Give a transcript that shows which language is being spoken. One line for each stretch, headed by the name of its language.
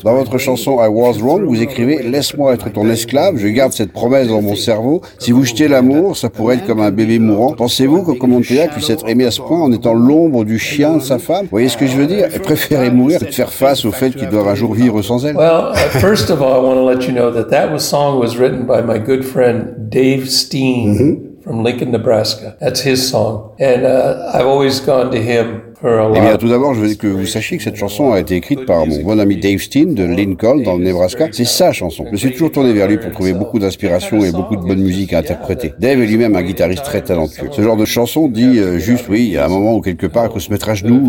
French: Dans votre chanson I Was Wrong, vous écrivez « Laisse-moi être ton esclave, je garde cette promesse dans mon cerveau. Si vous jetez l'amour, ça pourrait être comme un bébé mourant. Pensez-vous que Comontea puisse être aimé à ce point en étant l'ombre du chien de sa femme ? Vous voyez ce que je veux dire ? Elle préférait mourir que de faire face au fait qu'ils doivent un jour vivre sans elle.
English: Well, first of all, I want to let you know that that song was written by my good friend Dave Steen. From Lincoln, Nebraska. That's his song. And I've always gone to him.
French: Eh bien, tout d'abord, je veux que vous sachiez que cette chanson a été écrite par mon bon ami Dave Steen de Lincoln, dans le Nebraska. C'est sa chanson. Je suis toujours tourné vers lui pour trouver beaucoup d'inspiration et beaucoup de bonne musique à interpréter. Dave est lui-même un guitariste très talentueux. Ce genre de chanson dit juste, oui, il y a un moment où quelque part, il faut se mettre à genoux.